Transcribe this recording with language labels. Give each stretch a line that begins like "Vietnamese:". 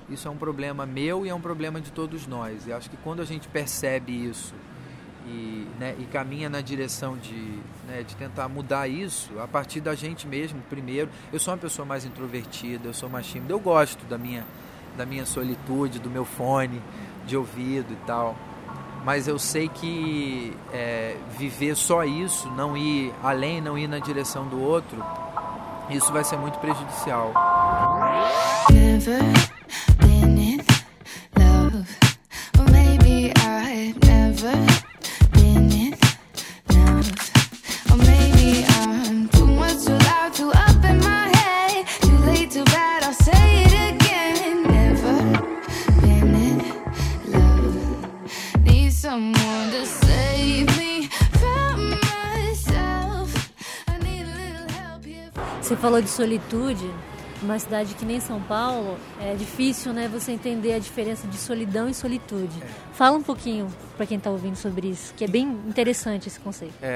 Portuguese: Isso é um problema meu e é um problema de todos nós. E acho que quando a gente percebe isso e, né, e caminha na direção de, né, de tentar mudar isso, a partir da gente mesmo, primeiro, eu sou uma pessoa mais introvertida, eu sou mais tímida, eu gosto da minha solitude, do meu fone de ouvido e tal. Mas eu sei que viver só isso, não ir além, não ir na direção do outro, isso vai ser muito prejudicial.
English: Never been in love, or maybe I never been in love, or maybe I'm too much too loud, too up in my head, too late, too bad, I'll say it again. Never been in love, need someone to save me from myself. I need a little help here.
Portuguese: Você falou de solitude. Uma cidade que nem São Paulo, é difícil, né, você entender a diferença de solidão e solitude. Fala um pouquinho para quem está ouvindo sobre isso, que é bem interessante esse conceito.